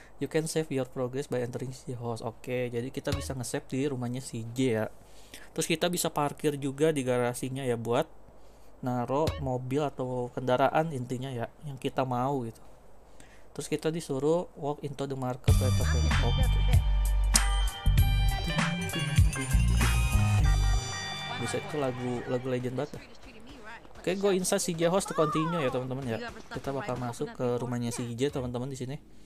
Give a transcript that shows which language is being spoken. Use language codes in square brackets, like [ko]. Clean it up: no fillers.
[en] You can save your progress by entering the house. [id] Oke, jadi kita bisa nge-save di rumahnya si J ya. Terus kita bisa parkir juga di garasinya ya buat naro mobil atau kendaraan intinya ya yang kita mau gitu. Terus kita disuruh [en] walk into the market later. Oke. [id] Bisa itu lagu legend banget. Oke, [en] go inside CJ host to continue [id] ya teman-teman ya. Kita bakal masuk ke rumahnya CJ teman-teman di sini.